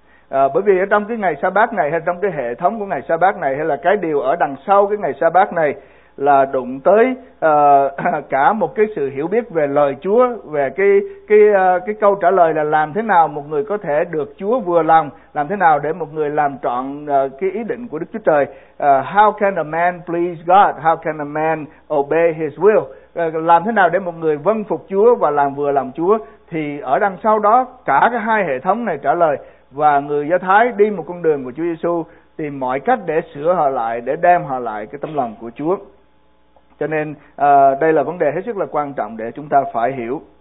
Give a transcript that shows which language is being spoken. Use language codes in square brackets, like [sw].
[vi] Bởi vì ở trong cái ngày Sa-bát này, hay trong cái hệ thống của ngày Sa-bát này, hay là cái điều ở đằng sau cái ngày Sa-bát này, là đụng tới cả một cái sự hiểu biết về lời Chúa, về cái câu trả lời là làm thế nào một người có thể được Chúa vừa lòng, làm thế nào để một người làm trọn cái ý định của Đức Chúa Trời. [en] How can a man please God? How can a man obey his will? [vi] Làm thế nào để một người vâng phục Chúa và làm vừa lòng Chúa? Thì ở đằng sau đó cả cái hai hệ thống này trả lời, và người Do Thái đi một con đường của Chúa Giê-xu tìm mọi cách để sửa họ lại, để đem họ lại cái tấm lòng của Chúa. Cho nên đây là vấn đề hết sức là quan trọng để chúng ta phải hiểu.